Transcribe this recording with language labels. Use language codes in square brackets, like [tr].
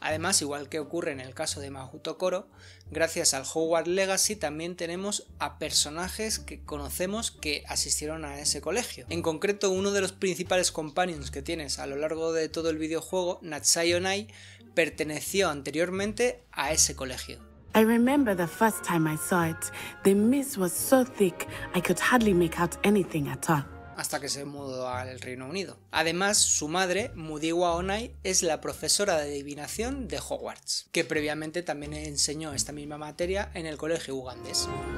[es] Además, igual que ocurre en el caso de Mautokoro, gracias al Hogwarts Legacy también tenemos a personajes que conocemos que asistieron a ese colegio. En concreto, uno de los principales companions que tienes a lo largo de todo el videojuego, Natsai Onai, perteneció anteriormente a ese colegio. [en] I remember the first time I saw it. The mist was so thick I could hardly make out anything at all. [es] Hasta que se mudó al Reino Unido. Además, su madre, Mudiwa Onai, es la profesora de adivinación de Hogwarts, que previamente también enseñó esta misma materia en el colegio ugandés.